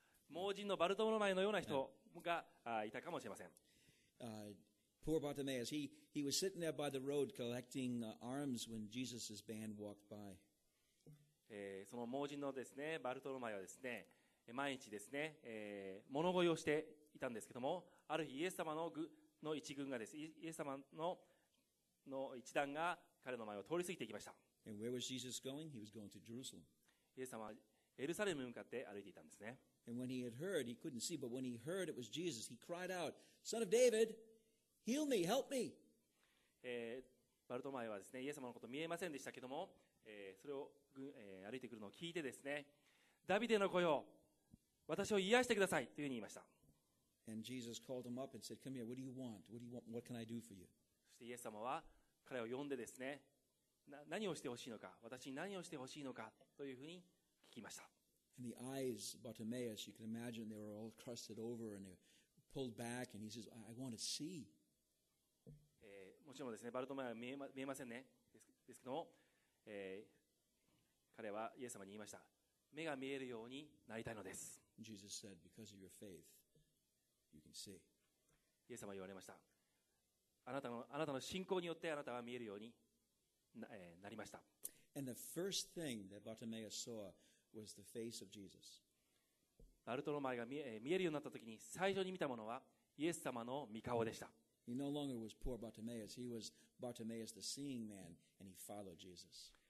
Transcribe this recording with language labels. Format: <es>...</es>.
<ja>盲人のバルトロマイのような人がいたかもしれません。</ja> <en>Poor Bartimaeus. He was sitting there by the road collecting alms when Jesus' band walked by.</en> <ja>その盲人のですね、バルトロマイはですね、毎日ですね、物乞いをしていたんですけども、ある日イエス様 の一軍がです、イエス様 の一団が彼の前を通り過ぎていきました。</ja> <en>And where was Jesus going? He was going to Jerusalem.</en> <ja>イエス様はエルサレムに向かって歩いていたんですね。</ja> <en>And when he had heard, he couldn't see, but when he heard it was Jesus, he cried out, Son of David, heal me, help me.</en> <ja>バルトマイはですね、イエス様のこと見えませんでしたけども、それを、歩いてくるのを聞いてですね、ダビデの子よ、私を癒してくださいというふうに言いました。</ja> <en>And Jesus called him up and said, Come here, what do you want? What do you want? What can I do for you?</en> <ja>そしてイエス様は彼を呼んでですね、何をしてほしいのか、私に何をしてほしいのかというふうに聞きました。</ja> <en>And the eyes, Bartimaeus, you can imagine they were all crusted over and they were pulled back and he says, I want to see.</en> <ja>もちろんですね、バルトマイは見えませんね。ですけども、彼はイエス様に言いました。目が見えるようになりたいのです。</ja> <en>Jesus said, because of your faith, you can see.</en> <ja>イエス様は言われました。あなたの信仰によってあなたは見えるように なりました。</ja> <en>And the first thing that Bartimaeus saw was the face of Jesus.</en> <ja>バルトロマイが見えるようになったときに最初に見たものはイエス様の御顔でした。</ja> <en>He no longer was poor Bartimaeus. He was Bartimaeus, the seeing man, and he followed Jesus.</en>